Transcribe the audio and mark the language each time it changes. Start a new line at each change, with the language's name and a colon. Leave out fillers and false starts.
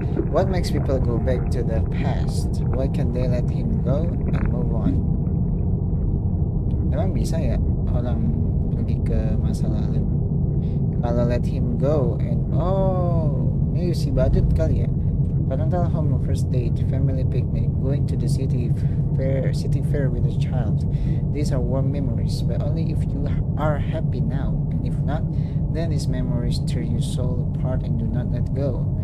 English: What makes people go back to the past? Why can they let him go and move on?
Indonesian: Emang bisa ya orang pergi ke masa lalu? Kalau
English: let him go and
Indonesian: oh, ini si badut kali ya.
English: Parental home, first date, family picnic, going to the city fair with a child. These are warm memories, but only if you are happy now. And if not, then these memories tear your soul apart and do not let go.